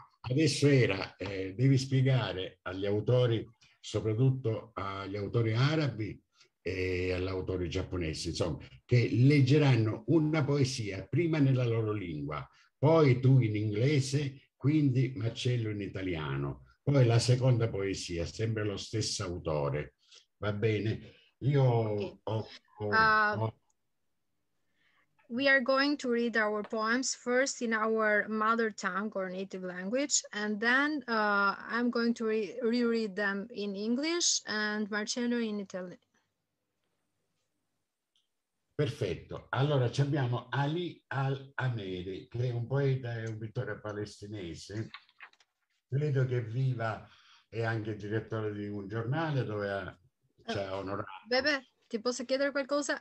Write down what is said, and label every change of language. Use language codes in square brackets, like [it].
[it] Adesso era, devi spiegare agli autori, soprattutto agli autori arabi, e all'autore giapponese, insomma, che leggeranno una poesia prima nella loro lingua, poi tu in inglese, quindi Marcello in italiano, poi la seconda poesia, sempre lo stesso autore, va bene? Io ho... [en] We are going to read our poems first in our mother tongue or native language, and then I'm going to reread them in English and Marcello in Italian. [it] Perfetto. Allora ci abbiamo Ali al-Ameri, che è un poeta e un pittore palestinese. Credo che viva e anche direttore di un giornale dove ci ha onorato. Bebe, ti posso chiedere qualcosa?